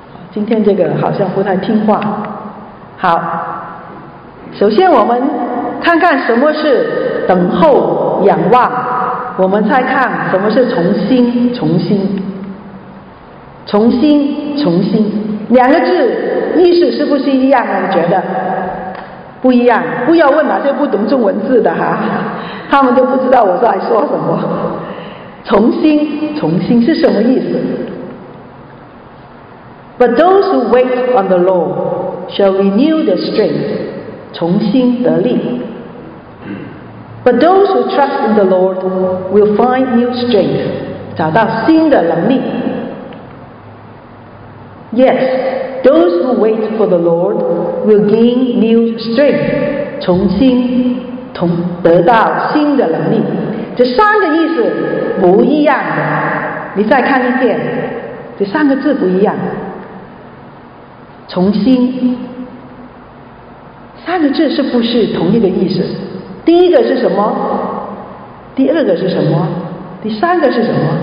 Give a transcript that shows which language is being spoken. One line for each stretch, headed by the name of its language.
Chinese: 今天这个好像不太听话。好，首先我们看看什么是等候仰望，我们再看什么是重新重新重新重新，两个字意思是不是一样？你觉得不一样？不要问那些不懂中文字的哈，他们都不知道我在说什么。重新重新是什么意思？
English: But those who wait on the Lord shall renew their strength，
Chinese: 重新得力。
English: But those who trust in the Lord will find new strength，
Chinese: 找到新的能力。
English: Yes， those who wait for the Lord will gain new strength，
Chinese: 重新得到新的能力。这三个意思不一样的，你再看一遍，这三个字不一样。重新三个字是不是同一个意思？第一个是什么？第二个是什么？第三个是什么？